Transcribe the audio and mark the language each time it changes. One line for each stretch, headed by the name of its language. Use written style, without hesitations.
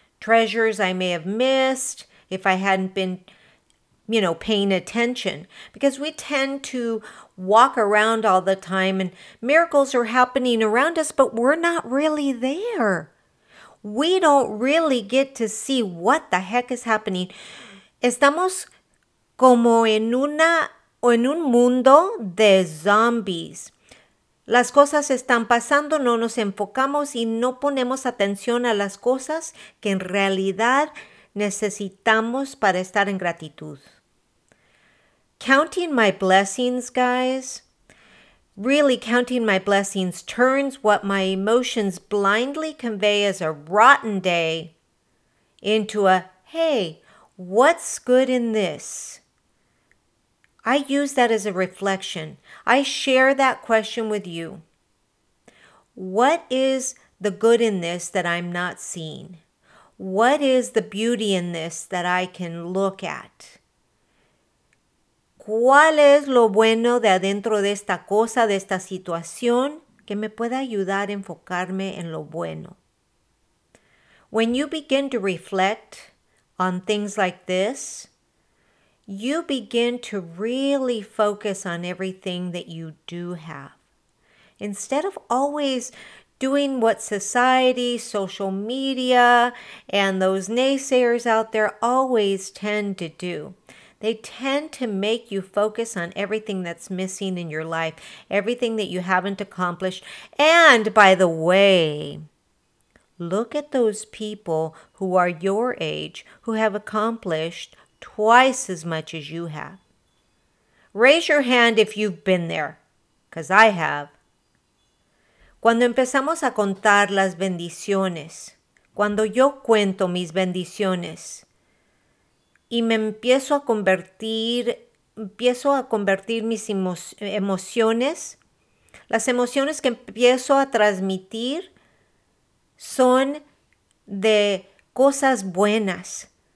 English: Treasures I may have missed if I hadn't been, you know, paying attention. Because we tend to walk around all the time and miracles are happening around us, but we're not really there. We don't really get to see what the heck is happening.
Spanish: Estamos como en una o en un mundo de zombies. Las cosas están pasando, no nos enfocamos y no ponemos atención a las cosas que en realidad necesitamos para estar en gratitud.
English: Counting my blessings, guys, really counting my blessings turns what my emotions blindly convey as a rotten day into a, hey, what's good in this? I use that as a reflection. I share that question with you. What is the good in this that I'm not seeing? What is the beauty in this that I can look at?
Spanish: ¿Cuál es lo bueno de adentro de esta cosa, de esta situación, que me pueda ayudar a enfocarme en lo bueno?
English: When you begin to reflect on things like this, you begin to really focus on everything that you do have. Instead of always doing what society, social media, and those naysayers out there always tend to do, they tend to make you focus on everything that's missing in your life, everything that you haven't accomplished. And by the way, look at those people who are your age, who have accomplished twice as much as you have. Raise your hand if you've been there, because I have.
Spanish: Cuando empezamos a contar las bendiciones, cuando yo cuento mis bendiciones y me empiezo a convertir mis emociones, las emociones que empiezo a transmitir son de cosas buenas.